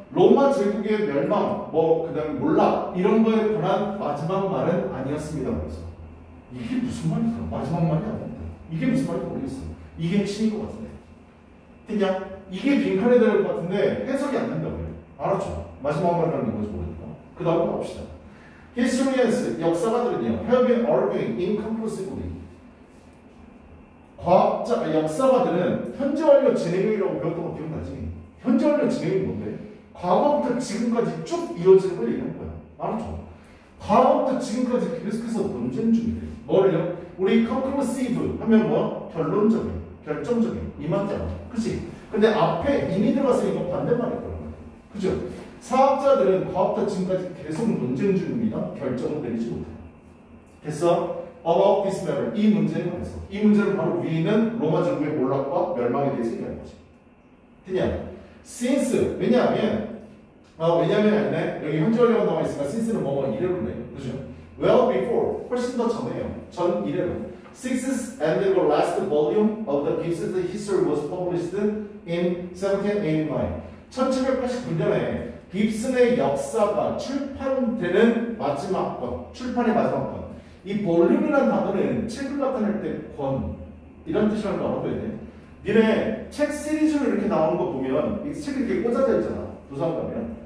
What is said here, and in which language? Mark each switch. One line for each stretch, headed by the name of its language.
Korean: 로마 제국의 멸망, 뭐 그 다음에 몰락 이런 거에 관한 마지막 말은 아니었습니다. 그래서 이게 무슨 말이야? 마지막 말이 아닌데 이게 무슨 말인지 모르겠어. 이게 핵심인 것 같은데. 됐냐? 이게 빈칸에 대한 것 같은데 해석이 안 된다고 그래. 알았죠? 마지막 말이라는 거지 모르니까. 그 다음 봅시다.
English: Historians,
Korean: 역사가들은요,
English: have been arguing inconclusively.
Korean: 과학자, 역사가들은 현재 완료 진행형이라고 배웠던 거 기억나지? 현재 완료 진행형이 뭔데? 과거부터 지금까지 쭉 이어지는 걸 얘기한 거야. 알았죠? 과거부터 지금까지 계속해서 논쟁 중이래. 뭐를요? 우리 conclusive 하면 뭐? 결론적인, 결정적인, 이 맞잖아. 그치? 근데 앞에 이미 들어가서 이거 반대말일 거란 말이야. 그죠? 사학자들은 과학자 지금까지 계속 논쟁 중입니다. 결정을 내리지 못해요. 됐어?
English: About this matter.
Korean: 이 문제에 관해서. 이 문제는 바로 위에는 로마 제국의 몰락과 멸망에 대해서 얘기한 거지. 됐냐? Since. 왜냐하면, 왜냐하면, 여기 현재 완료가 나와 있으니까 since는 뭐뭐 이래로 내요. 그죠?
English: Well before.
Korean: 훨씬 더 전에요. 전 이래로.
English: Sixth and the last volume of the Gibson's History was published in 1789.
Korean: 1789년에 깁슨의 역사가 출판되는 마지막 권, 출판의 마지막 권. 이 볼륨이라는 단어는 책을 나타낼 때 권, 이런 뜻이라는 거 알아둬야 돼. 니네 책 시리즈로 이렇게 나오는 거 보면 이 책이 이렇게 꽂아져 있잖아, 부산 가면.